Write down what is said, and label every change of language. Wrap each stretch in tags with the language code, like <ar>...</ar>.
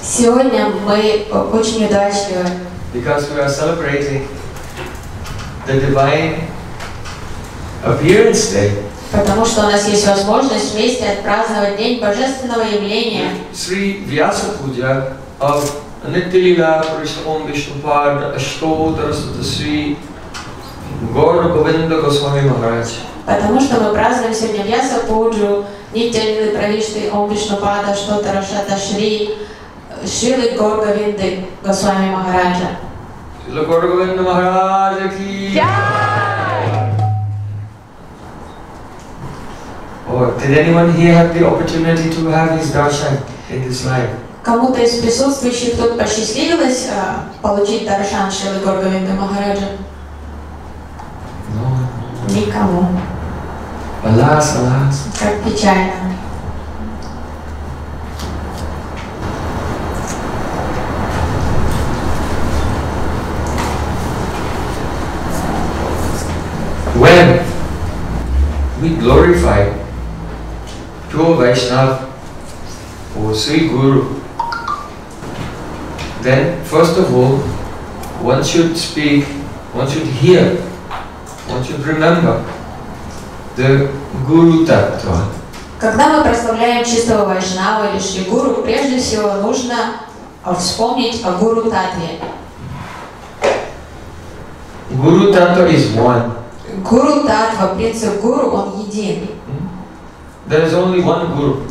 <ru>Сегодня мы очень удачливы.</ru> <en>Because we are celebrating the divine appearance day.</en> <ru>Потому что у нас есть возможность вместе отпраздновать день божественного явления.</ru> <en>Sri Vyasa Puja of Nityalila Prishnam Vishnupad Ashtotra Sri Gaura Govinda Goswami Maharaj.</en> <ru>Потому что мы празднуем сегодня Вьяса Пуджу, Нитяниды Правишты, Ом Вишнупада, Штота Рашата Шри, Шрилы Гор Говинды, Госвами Махараджа. Шрилы Гор Говинды Махараджа Ки!</ru> <en>Did anyone here have the opportunity to have his darshan in this life?</en> <ru>Кому-то из присутствующих тут посчастливилось получить даршан Шрилы Гор Говинды Махараджа?</ru> <en>No.</en> <ru>Никому.</ru> <en>Alas, alas.</en> <ru>Как печально.</ru> <en>When we glorify pure Vaishnava or Sri Guru, then first of all, one should speak, one should hear, one should remember the Guru Tattva.</en> <ru>Когда мы прославляем чистого Вайшнава или Шри Гуру, прежде всего нужно вспомнить о Гуру Таттве.</ru> <en>Guru Tattva is one.</en> <ru>Guru Tattva, принцип Гуру, он един.</ru> <en>There is only one Guru.</en>